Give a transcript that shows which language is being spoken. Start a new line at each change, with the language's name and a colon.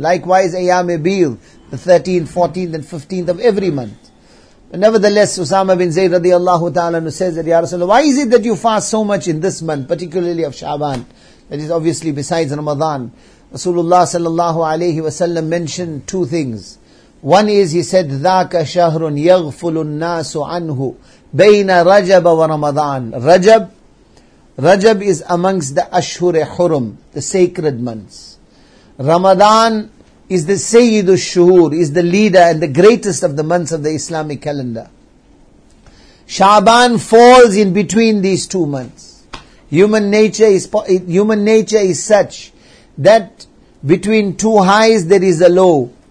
English: Likewise, Ayyam Abil, the 13th, 14th and 15th of every month. But nevertheless, Usama bin Zayd radiallahu ta'ala says that, Ya Rasulullah, why is it that you fast so much in this month, particularly of Sha'ban? That is obviously besides Ramadan. Rasulullah sallallahu alayhi wasallam mentioned two things.
Arabic: One is, he said, ذَاكَ شَهْرٌ يَغْفُلُ النَّاسُ عَنْهُ بَيْنَ رَجَبَ وَرَمَضَانَ.
English: Rajab is amongst the Ashhur Hurum, the sacred months. Ramadan is the Sayyidu Shuhur, is the leader and the greatest of the months of the Islamic calendar. Sha'ban falls in between these two months. Human nature is such that between two highs there is a low.